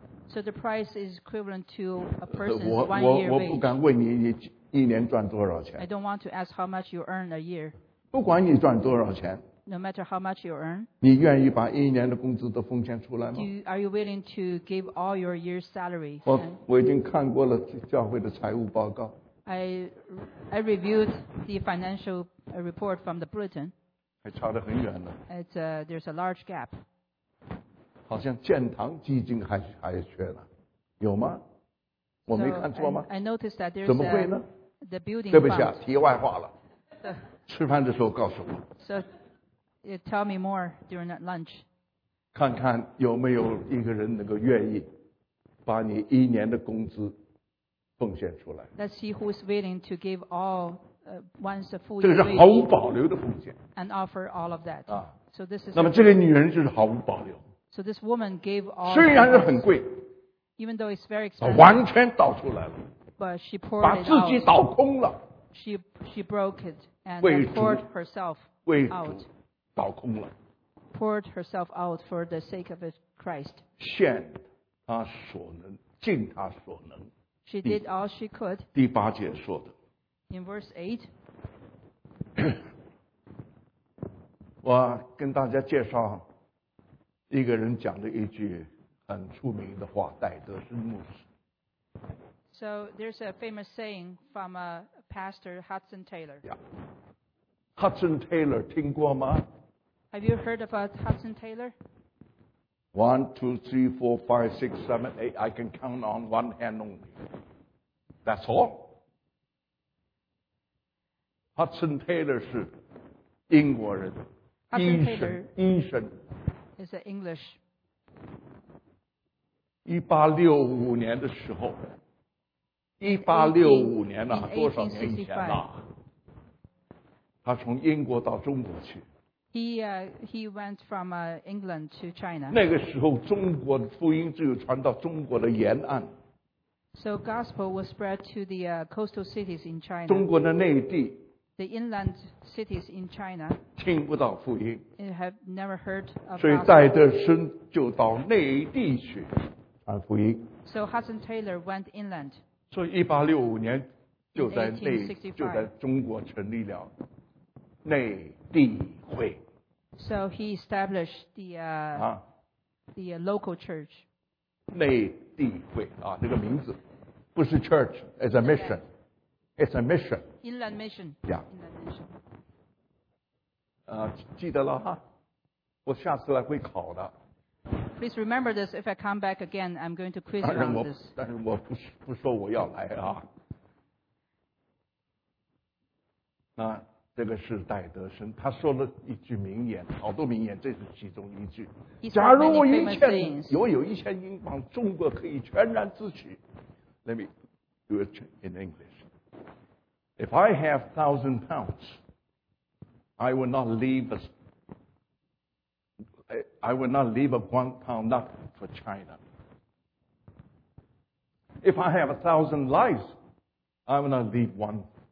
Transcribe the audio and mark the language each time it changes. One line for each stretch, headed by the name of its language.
English: So the price is equivalent to a person's
Chinese: 我不敢问你一年赚多少钱。
English: I don't want to ask how much you earn a year.
Chinese: 不管你赚多少钱。
English: No matter how much you earn.
Chinese: 你愿意把一年的工资都奉献出来吗？
English: Are you willing to give all your year's salary?
Chinese: 我已经看过了教会的财务报告。
English: I reviewed the financial report from the bulletin.
Chinese: 还差得很远呢。
English: There's a large gap.
Chinese: 好像建堂基金还缺了，有吗？我没看错吗？
English: I noticed that there's
Chinese: 怎么会呢？
English: The building.
Chinese: 对不起啊，题外话了。吃饭的时候告诉我。
English: So, tell me more during that lunch.
Chinese: 看看有没有一个人能够愿意把你一年的工资。奉献出来。
English: Let's see who is willing to give all one's full.
Chinese: 这个是毫无保留的奉献。
English: And offer all of that. 啊。 So this is.
Chinese: 那么这个女人就是毫无保留。
English: So this woman gave all.
Chinese: 虽然是很贵。
English: Even though it's very expensive.
Chinese: 完全倒出来了。
English: But she poured it out.
Chinese: 把自己倒空了。
English: She broke it and poured herself out.
Chinese: 倒空了。
English: Poured herself out for the sake of Christ.
Chinese: 献她所能，尽她所能。
English: She did all she could.
Chinese: 第八节说的。
English: In verse 8,
Chinese: 我跟大家介绍一个人讲了一句很出名的话，戴德森牧师。
English: So there's a famous saying from a pastor Hudson Taylor. Yeah.
Chinese: Hudson Taylor 听过吗？
English: Have you heard about Hudson Taylor? 1, 2, 3, 4, 5, 6, 7, 8. I can count on one hand only. That's all.
Chinese: Hudson Taylor 是英国人，医生，医生。
English: Is an English.
Chinese: 1865年的时候，一八六五年呐，多少年以前呐？他从英国到中国去。
English: He went from England to China.
Chinese: 那个时候，中国的福音只有传到中国的沿岸。
English: So gospel was spread to the coastal cities in China.
Chinese: 中国的内地。
English: The inland cities in China.
Chinese: 听不到福音。
English: It have never heard of gospel.
Chinese: 所以戴德森就到内地去传福音。
English: So Hudson Taylor went inland.
Chinese: 所以1865年就在内，就在中国成立了。内地会。
English: So he established the local church.
Chinese: 内地会啊，这个名字不是
English: church, it's a mission. It's a mission. Inland mission. Yeah. Inland mission.
Chinese: 记得了哈，我下次来会考的。
English: Please remember this. If I come back again, I'm going to quiz on this.
Chinese: 但是我不说我要来啊。那。这个是戴德森，他说了一句名言，好多名言，这是其中一句。假如我一千，有一千英镑，中国可以全然自取。
English: Let me do it in English. If I have £1,000, I will not leave a Guangdong nut for China. If I have 1,000 lives, I will not leave one.